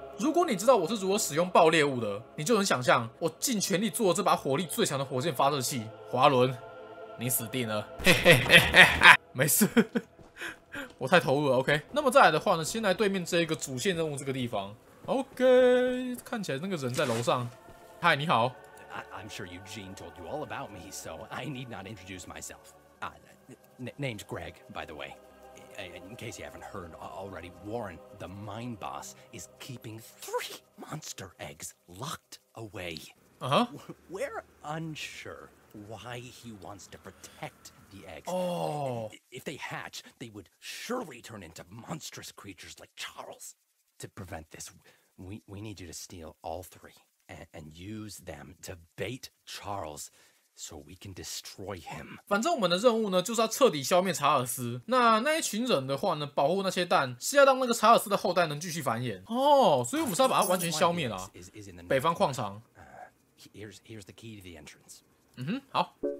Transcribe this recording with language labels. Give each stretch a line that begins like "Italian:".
Chinese: 如果你知道我是如何使用爆裂物的，你就能想象我尽全力做了这把火力最强的火箭发射器。华伦，你死定了。嘿嘿嘿嘿，没事。我太投入了 ，OK。那么再来的话呢，先来对面这一个主线任务这个地方 ，OK。看起来那个人在楼上。嗨，你好。
English: I'm sure Eugene told you all about me, so I need not introduce myself. Name's Greg, by the way. In case you haven't heard already, Warren, the mind boss, is keeping 3 monster eggs locked away. Uh-huh. We're unsure why he wants to protect. The eggs. Oh. If they hatch, they would surely turn into monstrous creatures like Charles. To prevent this, we need you to steal all 3 and use them to bait Charles. So we can destroy him.
Chinese: 反正我们的任务呢，就是要彻底消灭查尔斯。那一群人的话呢，保护那些蛋，是要让那个查尔斯的后代能继续繁衍。哦，所以我们是要把它完全消灭了。北方矿场。
English: Here's the key to the entrance.
Chinese: 嗯哼，好。